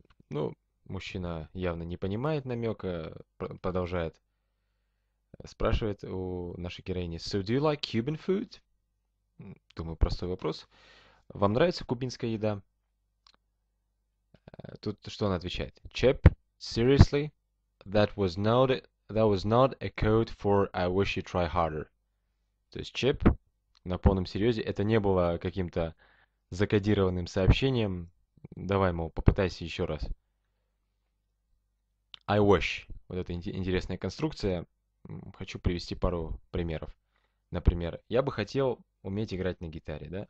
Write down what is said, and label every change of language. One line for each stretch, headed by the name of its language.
Russian: Ну, мужчина явно не понимает намека, продолжает, спрашивает у нашей героини,
English: So do you like Cuban food?
Russian: Думаю, простой вопрос. Вам нравится кубинская еда? Тут что она отвечает?
English: Chip, seriously? That was not a code for I wish you try harder.
Russian: То есть чип на полном серьезе, это не было каким-то закодированным сообщением. Давай, мол, попытайся еще раз.
English: I wish.
Russian: Вот это интересная конструкция. Хочу привести пару примеров. Например, я бы хотел уметь играть на гитаре, да?